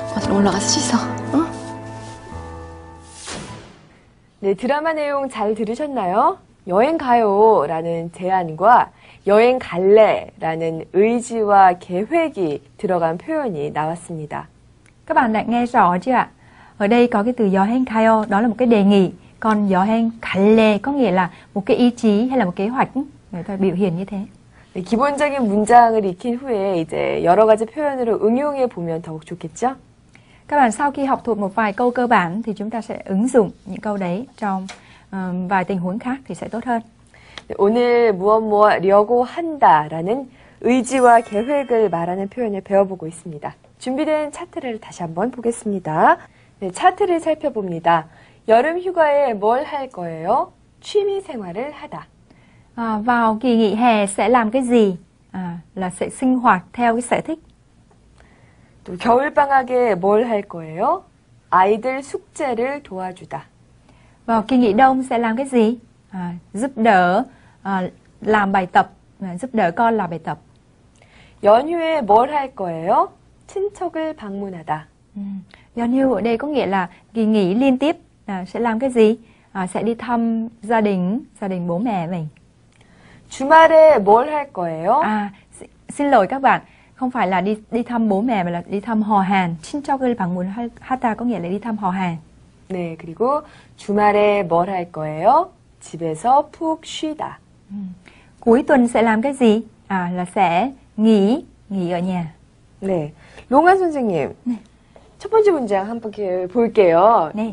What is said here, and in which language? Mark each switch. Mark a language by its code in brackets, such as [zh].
[ko] 올라가서 씻어, 응? 네, 드라마 내용 잘 들으셨나요? 여행 가요라는 제안과 여행 갈래라는 의지와 계획이 들어간 표현이 나왔습니다. [vi] Các bạn đã nghe rõ chưa ạ? Ở đây có cái từ 여행 가요, đó là một cái đề nghị. Còn 여행 갈래 có nghĩa là một cái ý chí hay là một kế hoạch. Người ta biểu hiện như thế. [ko] 네, 기본적인 문장을 익힌 후에 이제 여러 가지 표현으로 응용해 보면 더욱 좋겠죠? [vi] Các bạn sau khi học thuộc một vài câu cơ bản thì chúng ta sẽ ứng dụng những câu đấy trong vài tình huống khác thì sẽ tốt hơn. [ko] 네, 오늘 무엇무엇하려고 한다라는 의지와 계획을 말하는 표현을 배워보고 있습니다. 준비된 차트를 다시 한번 보겠습니다. 네, 차트를 살펴봅니다. 여름 휴가에 뭘 할 거예요? 취미 생활을 하다. [vi] Vào kỳ nghỉ hè sẽ làm cái gì? Là sẽ sinh hoạt theo cái sở thích. [ko] 또 겨울 방학에 뭘 할 거예요? 아이들 숙제를 도와주다. [vi] Vào kỳ nghỉ đông sẽ làm cái gì? Giúp đỡ làm bài tập, giúp đỡ con làm bài tập. [ko] 연휴에 뭘 할 거예요? 친척을 방문하다. [vi] 연휴 ở đây có nghĩa là kỳ nghỉ liên tiếp sẽ làm cái gì? Sẽ đi thăm gia đình bố mẹ mình. [ko] 주말에 뭘 할 거예요? [vi] Xin lỗi các bạn, không phải là đi thăm bố mẹ mà là đi thăm họ hàng. [ko] 친척을 방문하다 [vi] có nghĩa là đi thăm họ hàng. [ko] 네, 그리고 주말에 뭘 할 거예요? 집에서 푹 쉬다. [vi] Cuối tuần sẽ làm cái gì? Là sẽ nghỉ ở nhà. [ko] 네, 롱한 선생님. 네. 첫 번째 문장 한번 볼게요. 네.